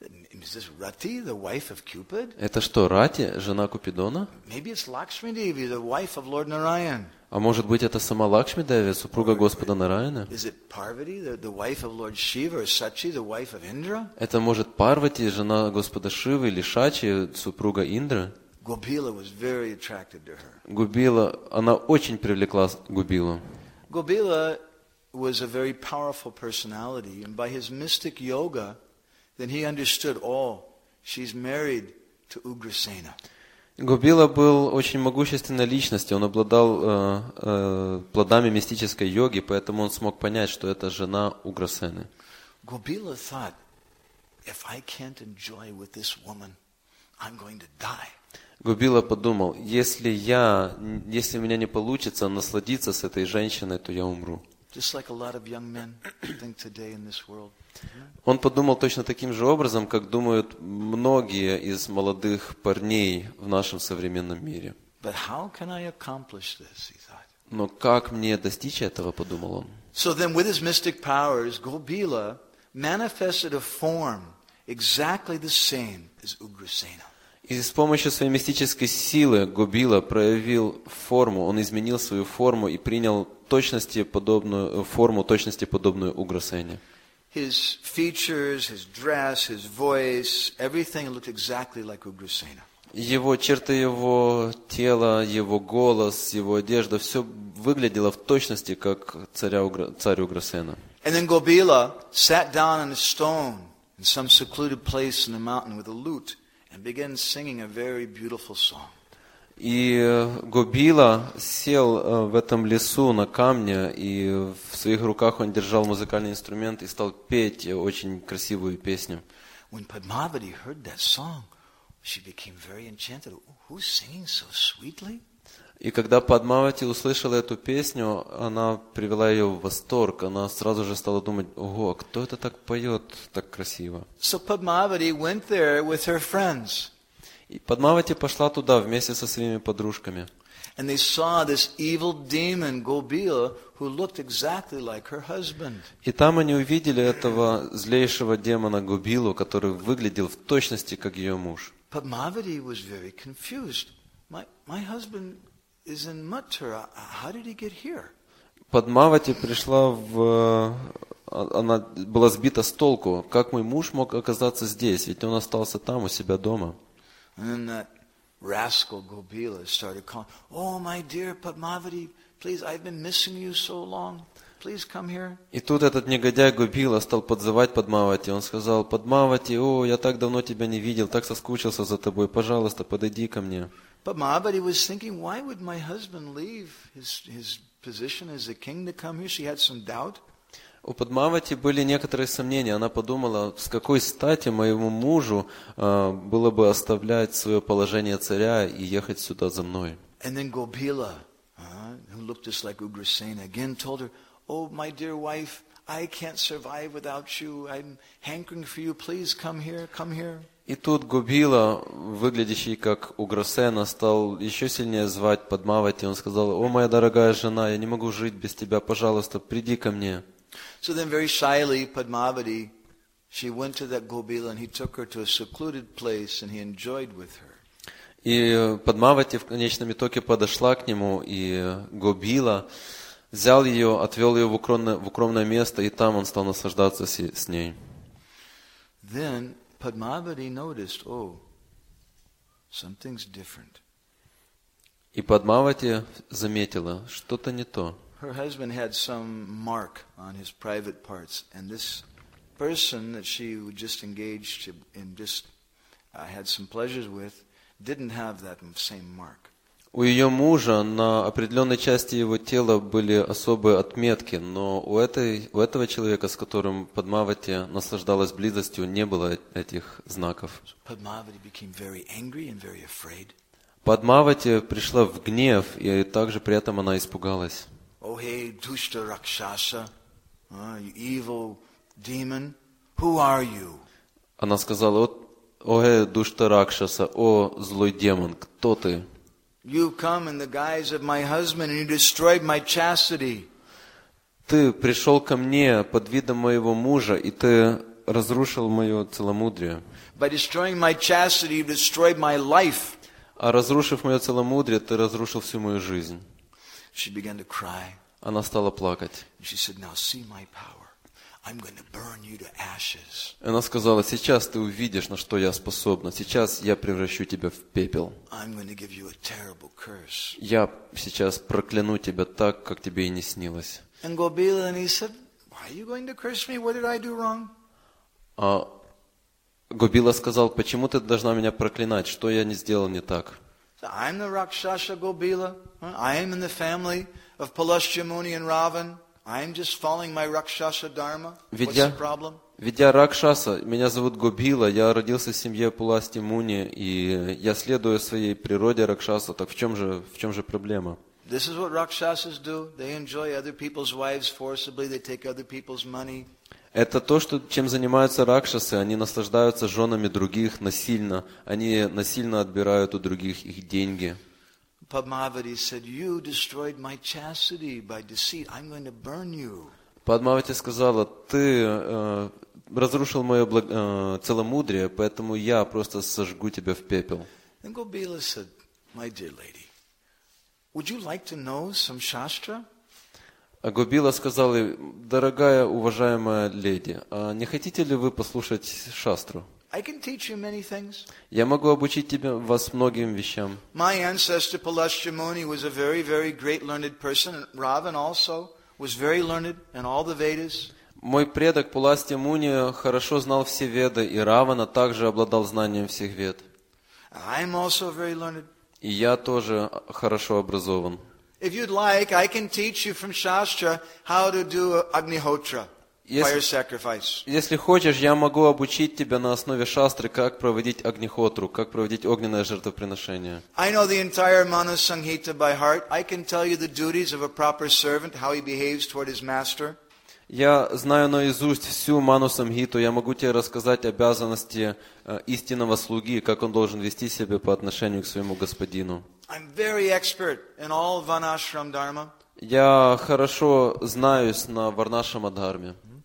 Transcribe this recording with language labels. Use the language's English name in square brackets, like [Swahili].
[English] Is this Rati, the wife of Cupid? [Russian] Это что, Рати, жена Купидона? [English] Maybe it's Lakshmi Devi, the wife of Lord Narayan. [Russian] А может быть, это сама Лакшми Деви, супруга Господа Нараяна? [English] Is it Parvati, the wife of Lord Shiva, or Sachi, the wife of Indra? [Russian] Это может Парвати, жена Господа Шивы, или Сачи, супруга Индры? [English] Gobila was very attracted to her. [Russian] Gobila, она очень привлекла Gobilu. [English] Gobila was a very powerful personality, and by his mystic yoga, then he understood all. She's married to Ugrasena. [Russian] Gobila был очень могущественной личностью. Он обладал плодами мистической йоги, поэтому он смог понять, что это жена Уграсены. [English] Gobila thought, if I can't enjoy with this woman, I'm going to die. [Russian] Gobila подумал, если у меня не получится насладиться с этой женщиной, то я умру. [English] Just like a lot of young men think today in this world. [Russian] Он подумал точно таким же образом, как думают многие из молодых парней в нашем современном мире. [English] But how can I accomplish this, he thought. [Russian] Но как мне достичь этого, подумал он. [English] So then with his mystic powers, Gobila manifested a form exactly the same as Ugrasena. [Russian] И с помощью своей мистической силы Gobila проявил форму, он изменил свою форму и принял точности подобную Ugrasene. [English] His features, his dress, his voice, everything looked exactly like Ugrasena. [Russian] Его черты, его тело, его голос, его одежда, все выглядело в точности, как царь Ugrasena. [English] And then Gobila sat down on a stone in some secluded place in the mountain with a lute and began singing a very beautiful song. [Russian] И Гобила сел в этом лесу на камне, и в своих руках он держал музыкальный инструмент и стал петь очень красивую песню. [English] When Padmavati heard that song, she became very enchanted. Who's singing so sweetly? [Russian] И когда Падмавати услышала эту песню, она привела ее в восторг. Она сразу же стала думать, ого, кто это так поет так красиво? [English] So Padmavati went there with her friends. [Russian] И Падмавати пошла туда вместе со своими подружками. [English] And they saw this evil demon Gobila, who looked exactly like her husband. [Russian] И там они увидели этого злейшего демона Гобилу, который выглядел в точности как ее муж. [English] Padmavati was very confused. My husband is in Mathura. How did he get here? [Russian] Падмавати пришла в она была сбита с толку, как мой муж мог оказаться здесь, ведь он остался там у себя дома. [English] And then that rascal Gobila started calling, "Oh, my dear Padmavati, please, I've been missing you so long. Please come here." [Russian] И тут этот негодяй Гобила стал подзывать Падмавати. Он сказал: "Падмавати, о, я так давно тебя не видел, так соскучился за тобой. Пожалуйста, подойди ко мне." [English] Padmavati was thinking, "Why would my husband leave his position as a king to come here?" She had some doubt. [Russian] У Падмавати были некоторые сомнения. Она подумала, с какой стати моему мужу было бы оставлять свое положение царя и ехать сюда за мной. [English] And then Gobila, who looked just like Ugrasena, again told her, "Oh, my dear wife, I can't survive without you. I'm hankering for you. Please come here, come here." [Russian] И тут Гобила, выглядящий как Уграсена, стал еще сильнее звать Падмавати. Он сказал: «О, моя дорогая жена, я не могу жить без тебя. Пожалуйста, приди ко мне». [English] So then very shyly, Padmavati, she went to that Gobila and he took her to a secluded place and he enjoyed with her. [Russian] И Падмавати в конечном итоге подошла к нему, и Гобила взял ее, отвел ее в укромное место, и там он стал наслаждаться с ней. [English] Then Padmavati noticed, oh, something's different. [Russian] И Падмавати заметила, что-то не то. [English] Her husband had some mark on his private parts, and this person that she just engaged in just had some pleasures with didn't have that same mark. [Russian] У ее мужа на определенной части его тела были особые отметки, но у этого человека, с которым Падмавати наслаждалась близостью, не было этих знаков. [English] Padmavati became very angry and very afraid. [Russian] Падмавати пришла в гнев, и также при этом она испугалась. [English] Oh, hey, Dushta Rakshasa, you evil demon, who are you? [Russian] Она сказала: [English] «Oh, hey, [Russian] Dushta Rakshasa, о злой демон, кто ты?» [English] You come in the guise of my husband and you destroyed my chastity. [Russian] Ты пришел ко мне под видом моего мужа и ты разрушил мое целомудрие. [English] By destroying my chastity, you destroyed my life. [Russian] А разрушив мое целомудрие, ты разрушил всю мою жизнь. [English] She began to cry. [Russian] Она стала плакать. [English] She said, "Now see my power. I'm going to burn you to ashes." [Russian] Она сказала: "Сейчас ты увидишь, на что я способна. Сейчас я превращу тебя в пепел. [English] I'm going to give you a terrible curse. [Russian] Я сейчас прокляну тебя так, как тебе и не снилось." [English] And Gobila and he said, "Why are you going to curse me? What did I do wrong?" [Russian] А Гобила сказал: "Почему ты должна меня проклинать? Что я не сделал не так?" [English] So I'm the Rakshasa Gobila. I am in the family of Palashya Muni and Ravan. I am just following my Rakshasa Dharma. [Russian] Ведя, [English] What's the problem? [Russian] Ведя Ракшаса, меня зовут Гобила, я родился в семье Паласти Муни, и я следую своей природе Ракшаса. Так в чем же проблема? [English] This is what Rakshasas do. They enjoy other people's wives forcibly. They take other people's money. [Russian] Это то, что, чем занимаются ракшасы. Они наслаждаются женами других насильно. Они насильно отбирают у других их деньги. [English] Padmavati said, "You destroyed my chastity by deceit. I'm going to burn you." [Russian] Padmavati сказала: "Ты разрушил мое целомудрие, поэтому я просто сожгу тебя в пепел." [English] And Gobila said, "My dear lady, would you like to know some shastra?" [Russian] А Гобила сказала: "Дорогая, уважаемая леди, а не хотите ли вы послушать шастру?" [English] I can teach you many things. [Russian] Я могу обучить тебя вас многим вещам. [English] My ancestor Palashya Muni was a very, very great learned person. Ravan also was very learned in all the Vedas. [Russian] Мой предок Паласти Муни хорошо знал все Веды, и Равана также обладал знанием всех Вед. [English] I am also very learned. [Russian] И я тоже хорошо образован. [English] If you'd like, I can teach you from Shastra how to do Agnihotra. [Russian] Если хочешь, я могу обучить тебя на основе шастры, как проводить агнихотру, как проводить огненное жертвоприношение. [English] I know the entire Manu Sanghita by heart. I can tell you the duties of a proper servant, how he behaves toward his master. [Russian] Я знаю наизусть всю Ману Самхиту. Я могу тебе рассказать обязанности истинного слуги, как он должен вести себя по отношению к своему господину. [English] I'm very expert in all Vanashram Dharma. [Russian] Я хорошо знаюсь на Варнашрама Дхарме.